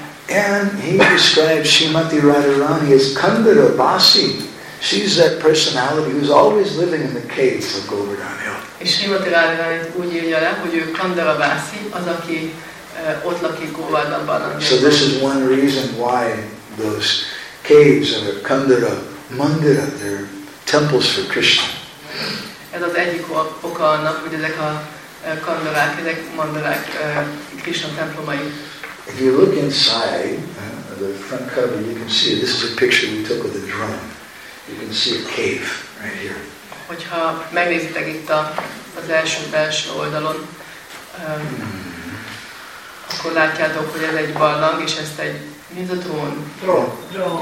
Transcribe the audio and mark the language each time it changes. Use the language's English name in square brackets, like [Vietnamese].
[English] And he describes Srimati Radharani as Kandara Basi. She's that personality who's always living in the caves of Govardhan Hill. [Hungarian] És Srimati Radharani úgy írja le, hogy ő Kandara Vászi, az, aki ott lakik Govardhanban. [English] So this is one reason why those caves are Kandara Mandira, they're temples for Krishna. [Hungarian] Ez az egyik oka annak, hogy ezek a kandarák, ezek mandarák Krishna templomai. [English] If you look inside the front cover, you can see this is a picture we took with a drone. You can see a cave right here. [Hungarian] Hogyha megnézitek itt az első belső oldalon, akkor látjátok, hogy ez egy barlang, és ezt egy, mi ez a drón?